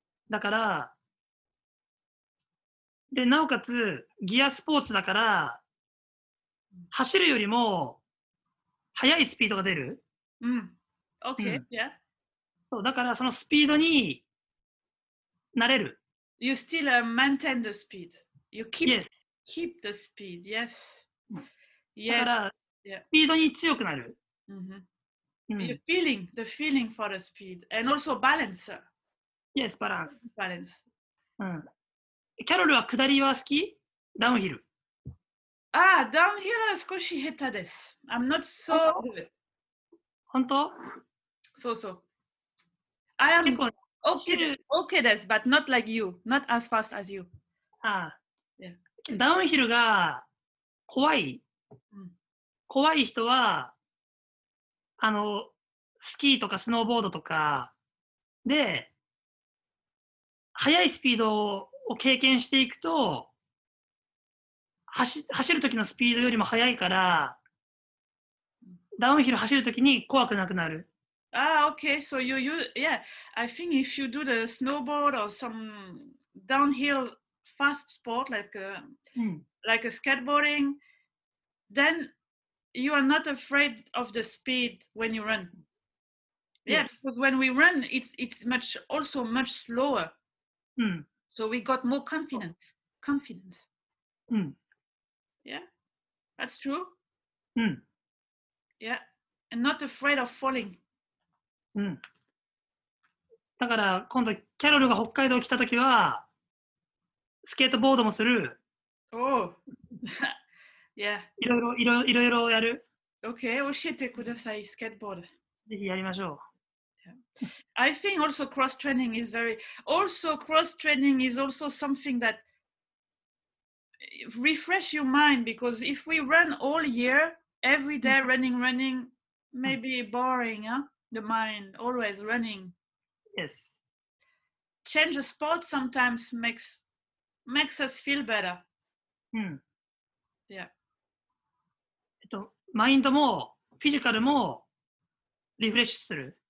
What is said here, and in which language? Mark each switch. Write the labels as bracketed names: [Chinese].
[Japanese] だから、で、なおかつ、ギアスポーツだから、走るよりも速いスピードが出る。 [English] Okay. Yeah. [Japanese] そう、だからそのスピードに慣れる。 [English] You still maintain the speed. You keep keep the speed. Yes. [Japanese] Yes. だから、スピードに強くなる。 [English] The feeling, for the speed, and also balance. Yes, balance. Balance. [Japanese] キャロルは下りは好き？ダウンヒル。 Ah, downhill は少し下手です。 [English] I'm not so good. [Japanese] 本当？そうそう。 [English] I am okay, okay です、but not like you. Not as fast as you. ああ。 Yeah. [Japanese] ダウンヒルが怖い、うん、怖い人はあのスキーとかスノーボードとかで速いスピードを経験していくと走る時のスピードよりも速いからダウンヒル走る時に怖くなくなる。 [English] Ah, okay. So you, yeah. I think if you do the snowboard or some downhill fast sport like, like a skateboarding, then you are not afraid of the speed when you run. Yes. But when we run, it's much also much slower. Mm. So we got more confidence. Confidence. Mm. Yeah. That's true. Mm. Yeah. And not afraid of falling. [Japanese] うん、だから今度キャロルが北海道来た時はスケートボードもする。 [English] おお、yeah. [Japanese] いろいろやる。 OK、教えてください、スケートボード。ぜひやりましょう。 [English] Yeah. I think also cross training is very... Also cross training is also something that refresh your mind because if we run all year, every day running, maybe boring, huh? The mind always running. Yes. Change of sport sometimes makes us feel better. Hmm. Yeah. [Japanese] Mind もフィジカルもリフレッシュする。